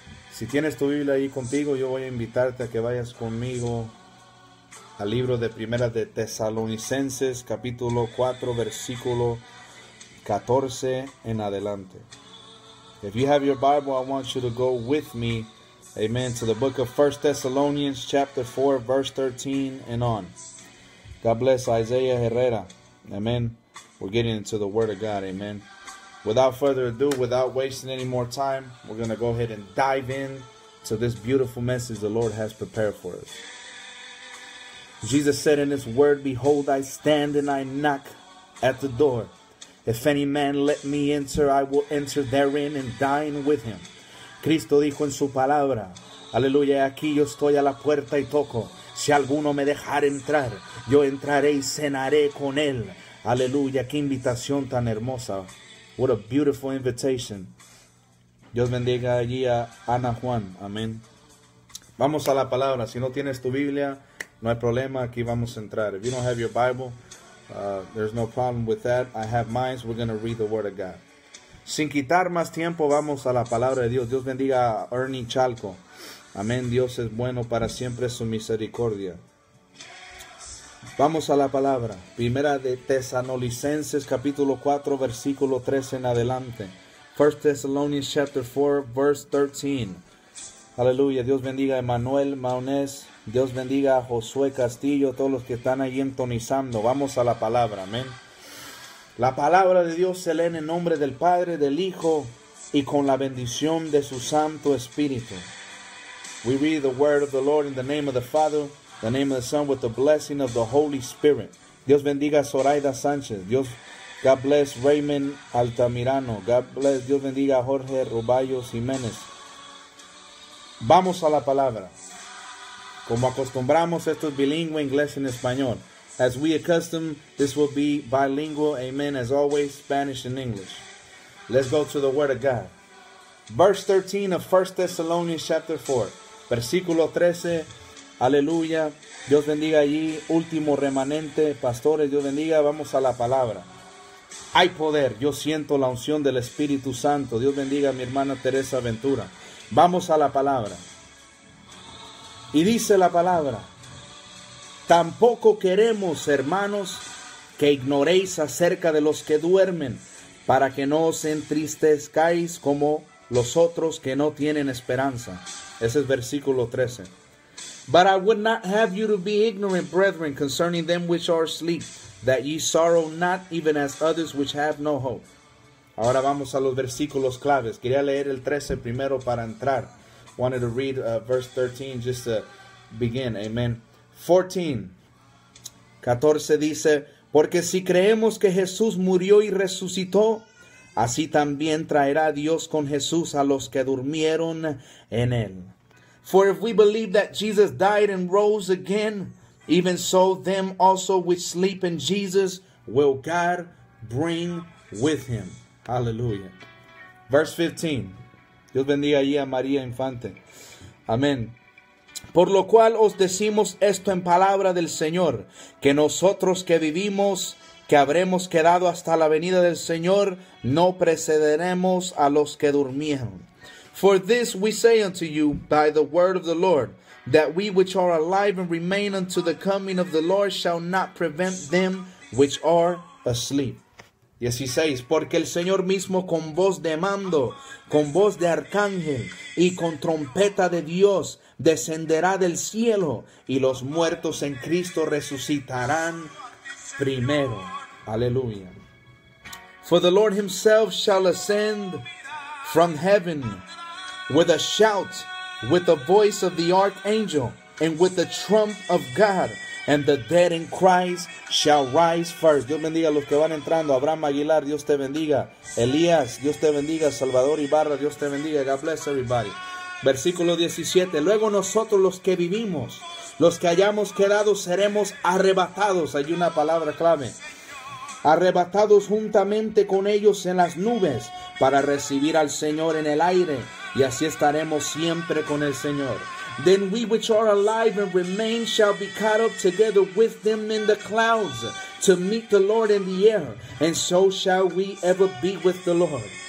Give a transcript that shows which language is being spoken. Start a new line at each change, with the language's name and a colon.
Spanish: Si tienes tu Biblia ahí contigo, yo voy a invitarte a que vayas conmigo al libro de Primera de Tesalonicenses, capítulo 4, versículo 14 en adelante.
English: If you have your Bible, I want you to go with me, amen, to the book of 1 Thessalonians, chapter 4, verse 13 and on. God bless Isaiah Herrera, amen. We're getting into the Word of God, amen. Without further ado, without wasting any more time, we're going to go ahead and dive in to this beautiful message the Lord has prepared for us. Jesus said in His Word, "Behold, I stand and I knock at the door. If any man let me enter, I will enter therein and dine with him."
Spanish: Cristo dijo en su palabra, aleluya, aquí yo estoy a la puerta y toco. Si alguno me dejar entrar, yo entraré y cenaré con él. Aleluya, qué invitación tan hermosa.
English: What a beautiful invitation.
Spanish: Dios bendiga allí a Ana Juan, amén. Vamos a la palabra. Si no tienes tu Biblia, no hay problema, aquí vamos a entrar.
English: If you don't have your Bible, there's no problem with that. I have mine, so we're going to read the Word of God.
Spanish: Sin quitar más tiempo, vamos a la palabra de Dios. Dios bendiga a Ernie Chalco. Amén. Dios es bueno para siempre, su misericordia. Vamos a la palabra. Primera de Tesalonicenses, capítulo 4, versículo 13 en adelante.
English: 1 Thessalonians chapter 4, verse 13. Aleluya.
Spanish: Dios bendiga a Emmanuel Maunés. Dios bendiga a Josué Castillo, todos los que están ahí entonizando. Vamos a la palabra, amén. La palabra de Dios se lee en el nombre del Padre, del Hijo y con la bendición de su Santo Espíritu.
English: We read the word of the Lord in the name of the Father, the name of the Son, with the blessing of the Holy Spirit.
Spanish: Dios bendiga a Zoraida Sánchez. Dios,
English: God bless Raymond Altamirano. God bless,
Spanish: Dios bendiga a Jorge Ruballo Jiménez. Vamos a la palabra. Como acostumbramos, esto es bilingüe, inglés en español.
English: As we accustom, this will be bilingual, amen, as always, Spanish and English. Let's go to the Word of God. Verse 13 of 1 Thessalonians chapter 4.
Spanish: Versículo 13, aleluya. Dios bendiga allí, último remanente, pastores, Dios bendiga, vamos a la palabra. Hay poder, yo siento la unción del Espíritu Santo. Dios bendiga a mi hermana Teresa Ventura. Vamos a la palabra. Y dice la palabra, tampoco queremos, hermanos, que ignoréis acerca de los que duermen, para que no os entristezcáis como los otros que no tienen esperanza. Ese es versículo 13.
English: But I would not have you to be ignorant, brethren, concerning them which are asleep, that ye sorrow not even as others which have no hope.
Spanish: Ahora vamos a los versículos claves. Quería leer el 13 primero para entrar.
English: Wanted to read verse 13 just to begin. Amen. 14.
Spanish: 14 dice, porque si creemos que Jesús murió y resucitó, así también traerá Dios con Jesús a los que durmieron en él.
English: For if we believe that Jesus died and rose again, even so them also which sleep in Jesus will God bring with him.
Spanish: Aleluya.
English: Verse 15.
Spanish: Dios bendiga allí a María Infante. Amén. Por lo cual os decimos esto en palabra del Señor, que nosotros que vivimos, que habremos quedado hasta la venida del Señor, no precederemos a los que durmieron.
English: For this we say unto you by the word of the Lord, that we which are alive and remain unto the coming of the Lord shall not prevent them which are asleep. 16.
Spanish: Porque el Señor mismo con voz de mando, con voz de arcángel y con trompeta de Dios descenderá del cielo y los muertos en Cristo resucitarán primero. Aleluya.
English: For the Lord himself shall ascend from heaven with a shout, with the voice of the archangel, and with the trump of God. And the dead in Christ shall rise first.
Spanish: Dios bendiga a los que van entrando. Abraham Aguilar, Dios te bendiga. Elías, Dios te bendiga. Salvador Ibarra, Dios te bendiga.
English: God bless everybody.
Spanish: Versículo 17. Luego nosotros los que vivimos, los que hayamos quedado, seremos arrebatados. Hay una palabra clave. Arrebatados juntamente con ellos en las nubes para recibir al Señor en el aire. Y así estaremos siempre con el Señor.
English: Then we which are alive and remain shall be caught up together with them in the clouds to meet the Lord in the air. And so shall we ever be with the Lord.